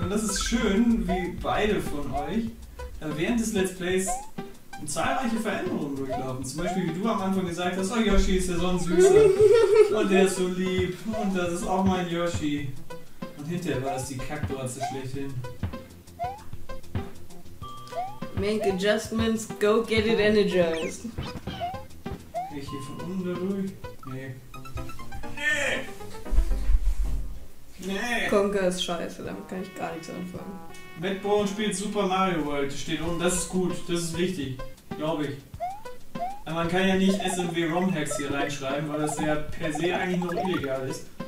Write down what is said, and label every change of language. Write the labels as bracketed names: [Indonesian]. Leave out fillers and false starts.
[German] Und das ist schön, wie beide von euch während des Let's Plays zahlreiche Veränderungen durchlaufen. Zum Beispiel, wie du am Anfang gesagt hast, oh, Yoshi ist der Sonnensüße. Und der ist so lieb. Und das ist auch mein Yoshi. Und hinterher war das die Kackdorze schlechthin. [English] Make adjustments, go get it energized. [German] Kann ich hier von unten da durch? Nee. Nee. Konker ist scheiße, damit kann ich gar nichts anfangen. Madbone spielt Super Mario World, steht unten, das ist gut, das ist wichtig, glaube ich. Aber man kann ja nicht SMW-ROM-Hacks hier reinschreiben, weil das ja per se eigentlich noch illegal ist.